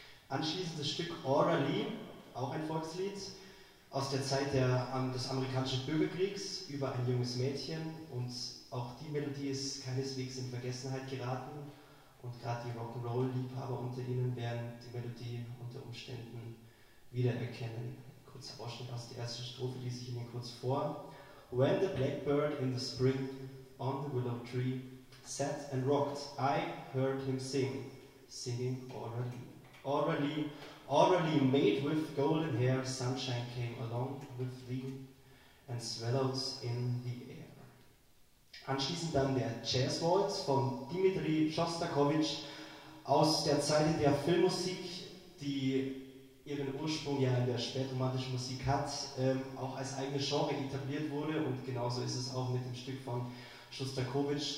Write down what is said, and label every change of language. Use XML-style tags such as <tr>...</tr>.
<de>Anschließend das Stück Orally, auch ein Volkslied, aus der Zeit des amerikanischen Bürgerkriegs über ein junges Mädchen. Und auch die Melodie ist keineswegs in Vergessenheit geraten und gerade die Rock'n'Roll-Liebhaber unter Ihnen werden die Melodie unter Umständen wiedererkennen. Kurzer Ausschnitt aus der ersten Strophe lese ich Ihnen kurz vor.</de> <en>When the blackbird in the spring on the willow tree sat and rocked, I heard him sing, singing orally. Orally, orally, made with golden hair, sunshine came along with thee and swallows in the air.</en> <de>Anschließend dann der Jazz Waltz von Dmitri Schostakowitsch aus der Zeit der Filmmusik, die ihren Ursprung ja in der spätromantischen Musik hat, auch als eigene Genre etabliert wurde. Und genauso ist es auch mit dem Stück von Schostakowitsch.</de>